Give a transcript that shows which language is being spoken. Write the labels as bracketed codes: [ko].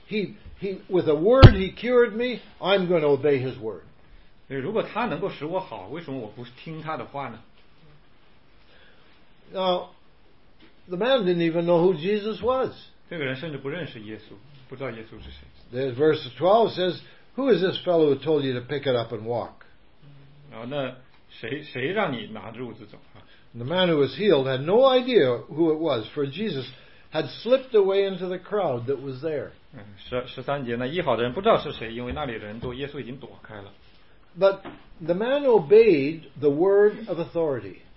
[en] He with a word he cured me, I'm going to obey his word. [zh] 如果他能够使我好，为什么我不听他的话呢？ [en] Now, the man didn't even know who Jesus was. [zh] 这个人甚至不认识耶稣，不知道耶稣是谁。 [en] There's verse 12 says, "Who is this fellow who told you to pick it up and walk?" [zh] 然后那谁让你拿着褥子走？ [en] The man who was healed had no idea who it was, for Jesus had slipped away into the crowd that was there. [zh] 13节，那医好的人不知道是谁，因为那里的人都耶稣已经躲开了。 [en] But the man obeyed the word of authority.